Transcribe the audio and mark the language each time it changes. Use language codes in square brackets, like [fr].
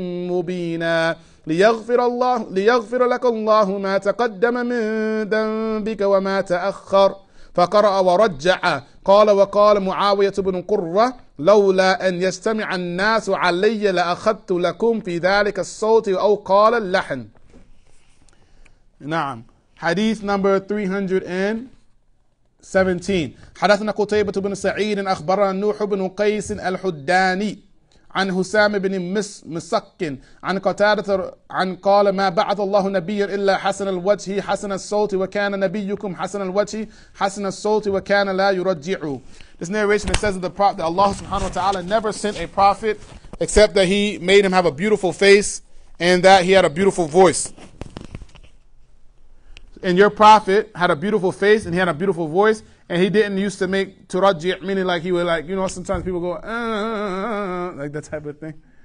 [ar] مبينا ليغفر لك الله ما تقدم من ذنبك وما تأخر فقرأ ورجع قال وقال معاوية بن قرة لولا أن يستمع الناس علي لأخذت لكم في ذلك الصوت أو قال اللحن. نعم. [en] Hadith number 300 and 17. [ar] حدثنا قتيبة بن سعيد أخبرنا نوح بن قيس الحداني عن حسام بن مسك عن قتادة عن قال ما بعث الله نبيا إلا حسن الوجه حسن الصوت وكان نبيكم حسن الوجه حسن الصوت وكان لا يرجعه. [en] This narration, it says that Allah [ar] subhanahu wa ta'ala [en] never sent a prophet except that he made him have a beautiful face and that he had a beautiful voice. And your prophet had a beautiful face and he had a beautiful voice and he didn't used to make turajji', meaning like he would like, you know, sometimes people go, like that type of thing.